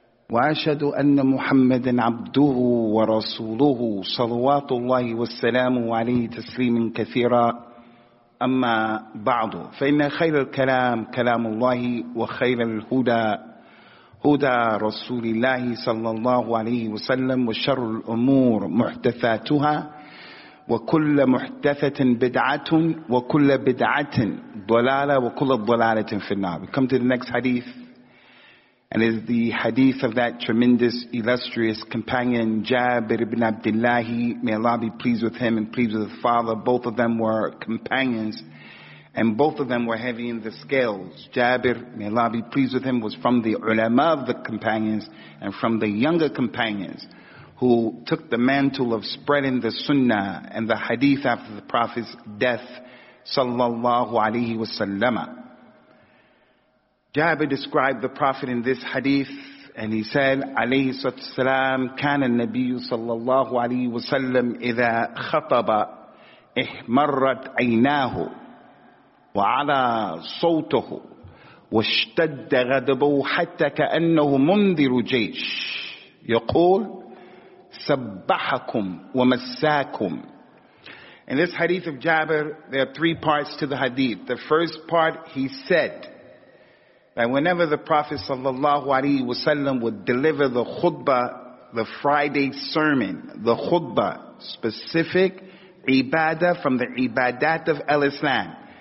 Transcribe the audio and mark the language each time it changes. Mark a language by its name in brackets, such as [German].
[English] وأشهد أن محمدا عبده ورسوله صلوات الله والسلام عليه تسليما كثيرا أما بعد فإن خير الكلام كلام الله وخير الهدى هدى رسول الله صلى الله عليه وسلم وشر الأمور محدثاتها وكل محدثة بدعة وكل بدعة ضلالة وكل ضلالة في النار. We come to the next hadith, and it is the hadith of that tremendous, illustrious companion Jabir ibn Abdullah. May Allah be pleased with him and pleased with his father. Both of them were companions, and both of them were heavy in the scales. Jabir, may Allah be pleased with him, was from the ulama of the companions and from the younger companions who took the mantle of spreading the sunnah and the hadith after the Prophet's death, sallallahu alaihi wasallam. Jabir described the Prophet in this hadith, and he said, alayhi sallam, [Arabic] kana nabiyyu sallallahu alaihi wasallam idha khataba ihmarrat aynahu. وعلى صوته واشتد غضبه حتى كأنه منذر جيش يقول سبحكم ومساكم. [English] In this hadith of Jabir, there are three parts to the hadith. The first part, he said that whenever the Prophet sallallahu alaihi wasallam would deliver the khutbah, the Friday sermon, the khutbah, specific ibadah from the ibadat of al-Islam.